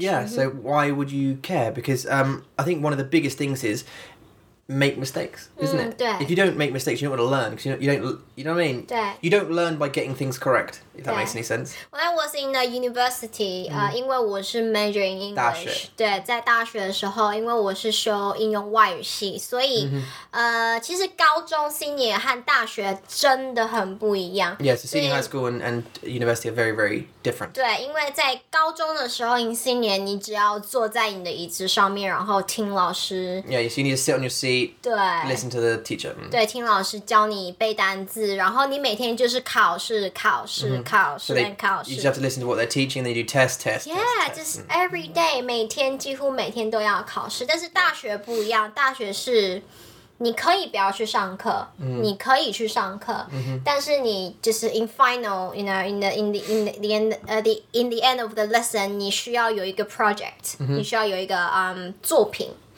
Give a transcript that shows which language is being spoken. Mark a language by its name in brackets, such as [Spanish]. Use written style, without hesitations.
[English] Yeah, so why would you care? Because I think one of the biggest things is, make mistakes, isn't it? If you don't make mistakes, you don't want to learn, because you know what I mean? You don't learn by getting things correct, if that makes any sense. When I was in the university, because I was majoring in English. [Chinese] 对，在大学的时候，因为我是修应用外语系，所以其实高中 senior 和大学真的很不一样。 [English] Yeah, so senior high school and university are very, very different. [Chinese] 对，因为在高中的时候 ， [English] in senior， [Chinese] 你只要坐在你的椅子上面，然后听老师。 [English] Yeah, so you need to sit on your seat. [Chinese] 对。 [English] Listen to the teacher. [Chinese] 对，听老师教你背单字，然后你每天就是考试、考试、考试、考试。 [English] You just have to listen to what they're teaching, then you do test, test. Yeah, just every day, [Chinese] 每天几乎每天都要考试，但是大学不一样，大学是。你可以不要去上课，你可以去上课，但是你就是 [English] in final, you know, in the end of the lesson, [Chinese] 你需要有一个 project, 你需要有一个作品。